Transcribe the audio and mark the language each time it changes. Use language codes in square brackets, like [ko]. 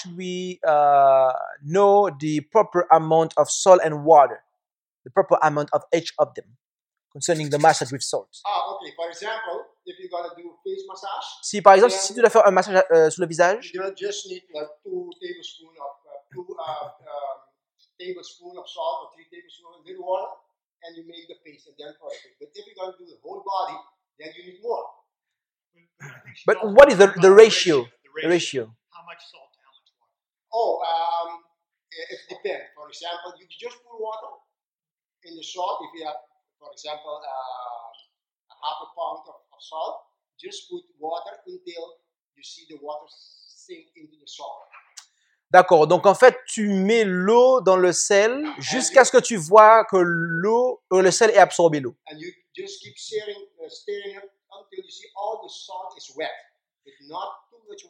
[en] How should we know the proper amount of salt and water, the proper amount of each of them, concerning the massage with salt? Okay. For example, if you're gonna do face massage. [fr] Si par exemple, si tu dois faire un massage sur le visage. [en] You don't just need like two tablespoons of salt or three tablespoons of little water, and you make the face and then perfect. But if you're gonna do the whole body, then you need more. But what is the ratio? The ratio? How much salt and how much water? It depends. For example, you just put water in the salt. If you have, for example, a half a pound of salt, just put water until you see the water sink into the salt. [fr] D'accord. Donc en fait, tu mets l'eau dans le sel jusqu'à ce que tu vois que le sel ait absorbé l'eau. [en] And you just keep stirring it. Until you see all the salt is wet, but not too